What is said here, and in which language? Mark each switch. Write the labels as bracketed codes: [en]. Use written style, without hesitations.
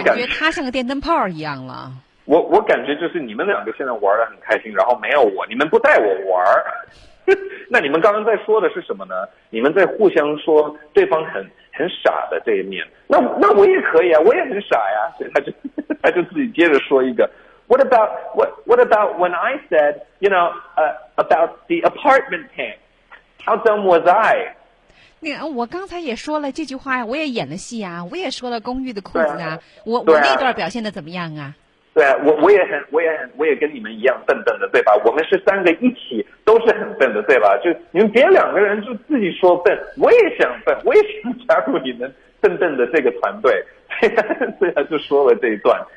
[zh] 感觉他像个电灯泡一样了。我感觉就是你们两个现在玩得很开心，然后没有我，你们不带我玩。那你们刚刚在说的是什么呢？你们在互相说对方很傻的这一面。那我也可以啊，我也很傻呀。所以他就自己接着说一个 [en] What about when I said, you know, about the apartment tank? How dumb was I? [zh] 那我刚才也说了这句话呀，我也演了戏啊，我也说了公寓的裤子啊，我那段表现的怎么样啊？对啊，我也跟你们一样笨笨的，对吧？我们是三个一起都是很笨的，对吧？就你们别两个人就自己说笨，我也想笨，我也想加入你们笨笨的这个团队，对啊，就说了这一段。